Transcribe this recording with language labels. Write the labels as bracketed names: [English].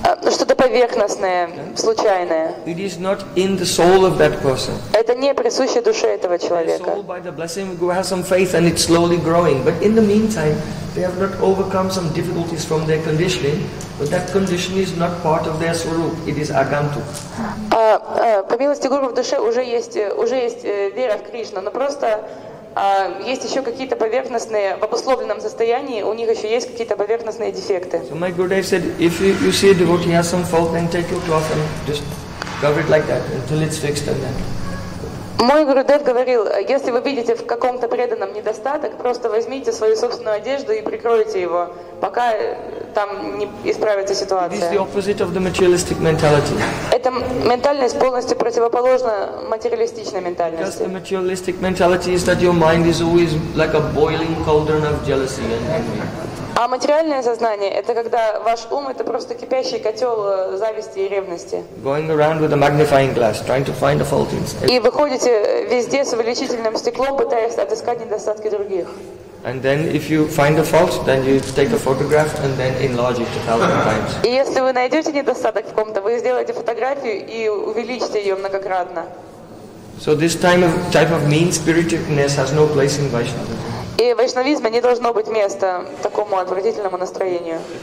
[Russian] Что-то поверхностное, случайное. [English] It is not in the soul of that person. [Russian] Это не присуще душе этого человека. [English] The soul by the blessing of Guru has some faith and it's slowly growing. But in the meantime, they have not overcome some difficulties from their conditioning. But that condition is not part of their swarup. It is agantuk. [Russian] По милости Гуру в душе уже есть вера в Кришну, но просто есть еще какие-то поверхностные в обусловленном состоянии, у них еще есть какие-то поверхностные дефекты. [English] So my Gurudev said, if you see a devotee has some fault, then take your cloth and just cover it like that until it's fixed and then. [Russian] Мой Гурудев говорил, если вы видите в каком-то преданном недостаток, просто возьмите свою собственную одежду и прикройте его, пока там не исправится ситуация. [English] It is the opposite of the materialistic mentality. [Russian] Эта ментальность полностью противоположна материалистичной ментальности. [English] Because the materialistic mentality is that your mind is always like a boiling cauldron of jealousy and envy. [Russian] А материальное сознание – это когда ваш ум – это просто кипящий котел зависти и ревности. [English] Going around with a magnifying glass, trying to find the fault in. [Russian] И выходите везде с увеличительным стеклом, пытаясь отыскать недостатки других. [English] And then, if you find a fault, then you take a photograph and then enlarge it 1,000 times. [Russian] И если вы найдете недостаток в ком-то, вы сделаете фотографию и увеличите ее многократно. [English] So this type of mean spiritedness has no place in Vaishnavism. [Russian] И в вайшнавизме не должно быть места такому отвратительному настроению.